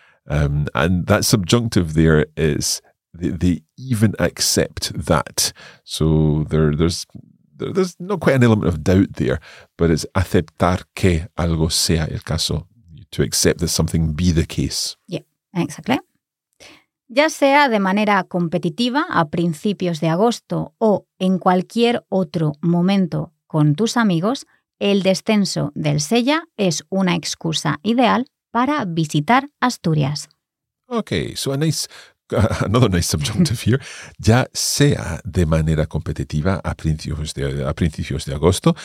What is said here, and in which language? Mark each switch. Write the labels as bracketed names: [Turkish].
[English] And that subjunctive there is, they even accept that. So, there's not quite an element of doubt there, but it's [Spanish] aceptar que algo sea el caso. [English] To accept that something be the case. Yeah, exactly. [Spanish] Ya sea de manera competitiva a principios de agosto o en cualquier otro momento con tus amigos, el descenso del Sella es una excusa ideal para visitar Asturias. [English] Okay, so another nice subjunctive here. [Spanish] Ya sea de manera competitiva a principios de agosto.